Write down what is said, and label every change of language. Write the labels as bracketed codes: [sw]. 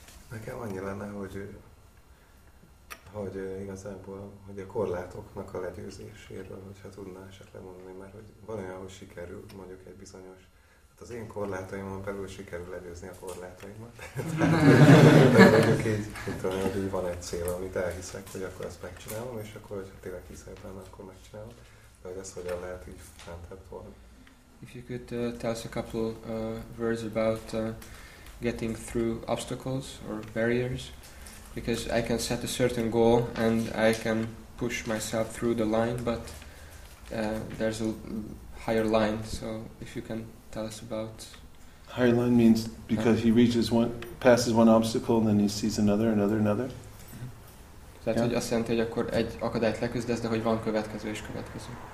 [hu] Nekem annyi lenne, hogy igazából, hogy a korlátoknak a legyőzéséről, hogyha tudná esetleg mondani, mert hogy van olyan, hogy sikerül, mondjuk egy bizonyos, hát az én korlátaimon belül sikerül legyőzni a korlátaimat. Mondjuk így, mint tudom, hogy így van egy cél, amit elhiszek, hogy akkor ezt megcsinálom, és akkor, hogyha tényleg hiszel benne, akkor megcsinálom. De hogy ez hogyan lehet így fentebb volna. [en] If you could tell us a couple words about getting through obstacles or barriers, because I can set a certain goal and I can push myself through the line, but there's a higher line. So if you can tell us about higher line means because he reaches one, passes one obstacle, and then he sees another. [hu] Tehát, hogy azt jelenti, hogy akkor egy akadályt leküzdesz, de hogy van következő és következő.